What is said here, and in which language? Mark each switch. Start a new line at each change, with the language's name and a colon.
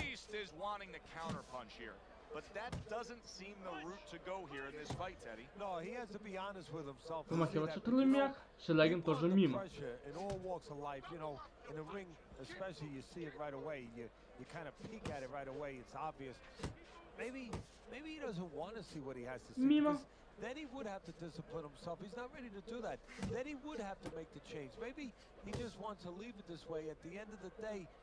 English: Is wanting the counterpunch here, but that doesn't seem the route to go here in this fight, Teddy. No, he has to be honest with himself.
Russian: Помахивается Телемек, Селягин тоже мимо.
English: In all walks of life, you know, in the ring, especially you see it right away. You kind of peek at it right away. It's obvious. Maybe he doesn't want to see what he has to see.
Russian: Мимо.
English: Then he would have to discipline himself. He's not ready to do that. Then he would have to make the change. Maybe he just wants to leave it this way. At the end of the day.